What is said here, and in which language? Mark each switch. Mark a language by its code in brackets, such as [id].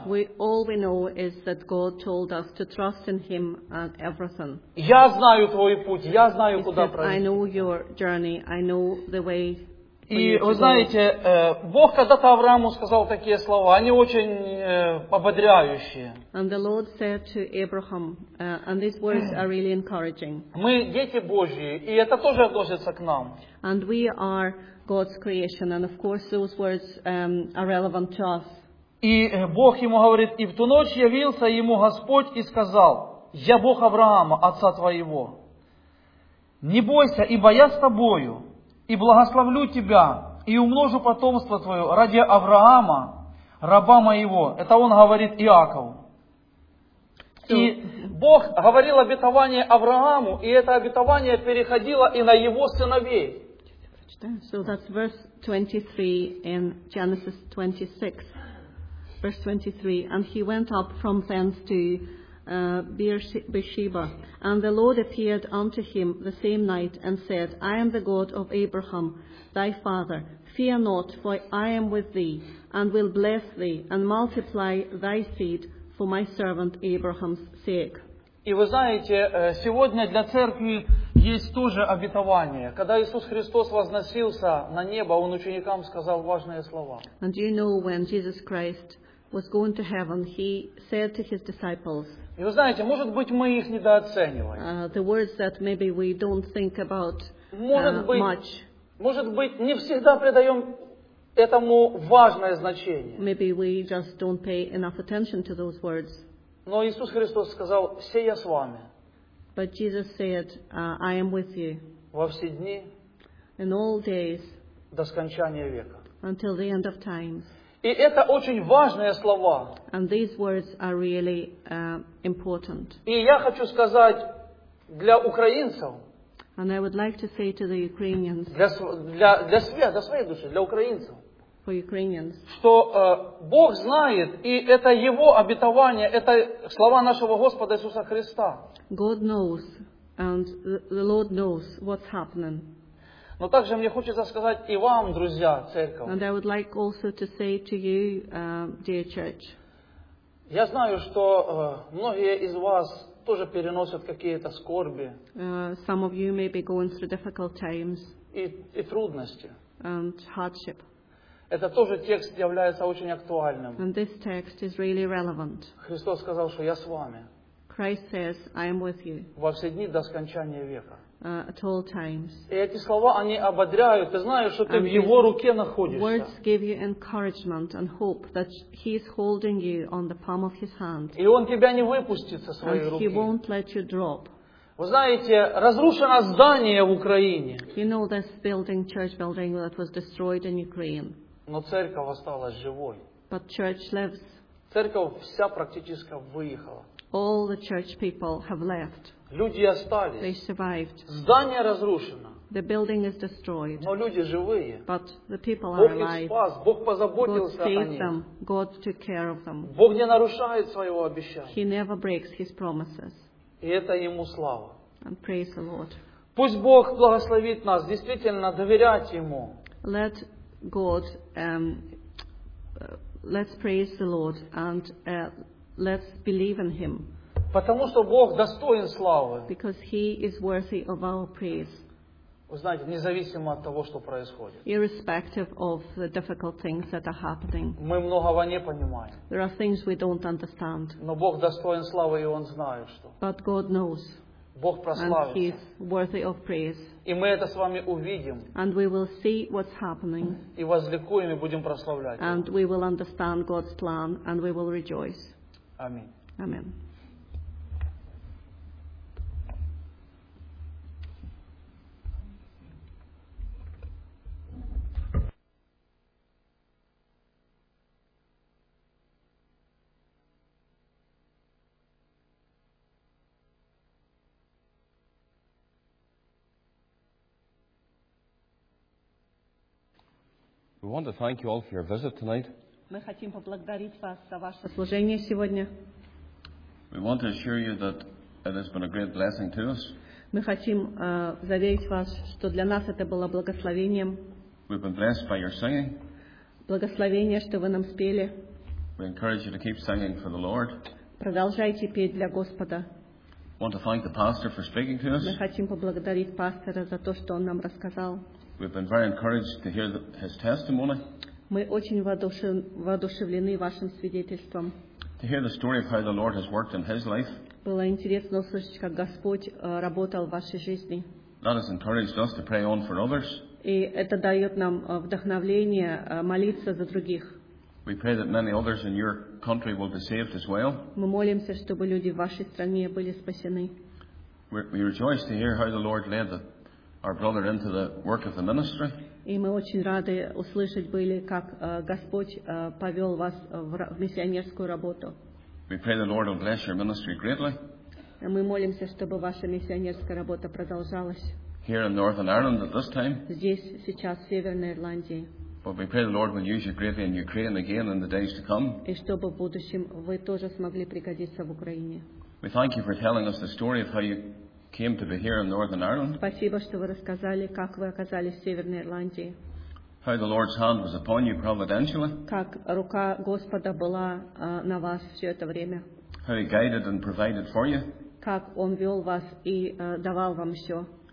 [en] All we know is that God told us to trust in Him and everything. [ru] Я знаю твой путь, я знаю, [en] He [ru] куда пройти. [en] I know your journey, I know the way. [ru] И вы знаете, Бог когда-то Аврааму сказал такие слова, они очень ободряющие. [en] And the Lord said to Abraham, and these words are really encouraging. [ru] Мы дети Божьи, и это тоже относится к нам. [en] And we are God's creation, and of course those words are relevant to us. [ru] И Бог ему говорит, и в ту ночь явился ему Господь и сказал, я Бог Авраама, отца твоего. Не бойся, ибо я с тобою. И благословлю тебя, и умножу потомство твое ради Авраама, раба моего. Это он говорит Иакову. И Бог говорил обетование Аврааму, и это обетование переходило и на его сыновей. [en] So that's verse 23 in Genesis 26. Verse 23. And he went up from thence to Beersheba. And the Lord appeared unto him the same night and said, I am the God of Abraham, thy father. Fear not, for I am with thee, and will bless thee, and multiply thy seed for my servant Abraham's sake. [ru] И вы знаете, сегодня для церкви есть тоже обетование. Когда Иисус Христос возносился на небо, Он ученикам сказал важные слова. [en] And you know, when Jesus Christ was going to heaven, He said to His disciples, [ru] и вы знаете, может быть, мы их недооцениваем. [en] The words that maybe we don't think about much. [ru] Может быть, не всегда придаем этому важное значение. [en] Maybe we just don't pay enough attention to those words. [ru] Но Иисус Христос сказал, «Се я с вами». [en] But Jesus said, I am with you. [ru] Во все дни. [en] In all days. [ru] До скончания века. [en] Until the end of times. [ru] И это очень важные слова. [en] And these words are really important. [ru] И я хочу сказать для украинцев. [en] And I would like to say to the Ukrainians. [ru] Для себя, для своей души, для украинцев. [en] For Ukrainians. [ru] Что Бог знает, и это Его обетование, это слова нашего Господа Иисуса Христа. [en] God knows, and the Lord knows what's happening. [ru] Но также мне хочется сказать и вам, друзья, церковь. [en] And I would like also to say to you, dear church. [ru] Я знаю, что многие из вас тоже переносят какие-то скорби. [en] Some of you may be going through difficult times. [ru] И трудности. [en] And hardship. [ru] Это тоже текст является очень актуальным. [en] And this text is really relevant. [ru] Христос сказал, что я с вами. [en] Christ says, I am with you. [ru] Во все дни до скончания века. [en] At all times. [ru] И эти слова, они ободряют. Ты знаешь, что ты [en] and [ru] в Его руке находишься. [en] Words give you encouragement and hope that He is holding you on the palm of His hand. [ru] И Он тебя не выпустит со своей [en] and [ru] руки. [en] He won't let you drop. [ru] Вы знаете, разрушено здание в Украине. [en] You know this building, church building that was destroyed in Ukraine. [ru] Но церковь осталась живой. [en] But church lives. [ru] Церковь вся практически выехала. [en] All the church people have left. [ru] Люди остались. [en] They survived. [ru] Здание разрушено. [en] The building is destroyed. [ru] Но люди живые. [en] But the people are alive. [ru] Бог их спас. Бог позаботился о них. [en] God saved them. God took care of them. [ru] Бог не нарушает своего обещания. [en] He never breaks His promises. [ru] И это Ему слава. [en] And praise the Lord. [ru] Пусть Бог благословит нас действительно доверять Ему. [en] Let God, let's praise the Lord and let's believe in Him. [ru] Потому что Бог достоин славы. [en] Because He is worthy of our praise. [ru] Вы знаете, независимо от того, что происходит. [en] Irrespective of the difficult things that are happening. [ru] Мы многого не понимаем. [en] There are things we don't understand. [ru] Но Бог достоин славы, и Он знает, что. [en] But God knows. [ru] Бог прославится. [en] And He is worthy of praise. [ru] И мы это с вами увидим. [en] And we will see what's happening. [ru] И возликуем, и будем прославлять. [en] And we will understand God's plan, and we will rejoice. [ru] Аминь. Аминь. [en] We want to thank you all for your visit tonight. [ru] Мы хотим поблагодарить вас за ваше служение сегодня. [en] We want to assure you that it has been a great blessing to us. [ru] Мы хотим заверить вас, что для нас это было благословением. [en] We've been blessed by your singing. [ru] Благословение, что вы нам спели. [en] We encourage you to keep singing for the Lord. [ru] Продолжайте петь для Господа. [en] We want to thank the pastor for speaking to us. [ru] Мы хотим поблагодарить пастора за то, что он нам рассказал. [en] We've been very encouraged to hear his testimony. [ru] Мы очень воодушевлены вашим свидетельством. [en] To hear the story of how the Lord has worked in his life. [ru] Было интересно услышать, как Господь работал в вашей жизни. [en] That has encouraged us to pray on for others. [ru] И это дает нам вдохновение молиться за других. [en] We pray that many others in your country will be saved as well. [ru] Мы молимся, чтобы люди в вашей стране были спасены. [en] We rejoice to hear how the Lord led the our brother into the work of the ministry. [ru] И мы очень рады услышать были, как Господь повел вас в миссионерскую работу. [en] We pray the Lord will bless your ministry greatly. [ru] И мы молимся, чтобы ваша миссионерская работа продолжалась. [en] Here in Northern Ireland at this time. [ru] Здесь сейчас в Северной Ирландии. [en] But we pray the Lord will use you greatly in Ukraine again in the days to come. [ru] И чтобы в будущем вы тоже смогли пригодиться в Украине. [en] We thank you for telling us the story of how you came to be here in Northern Ireland. [ru] Спасибо, что вы рассказали, как вы оказались в Северной Ирландии. [en] How the Lord's hand was upon you providentially. [ru] Как рука Господа была на вас все это время. [en] How He guided and provided for you. [ru] Как Он вел вас и давал вам все.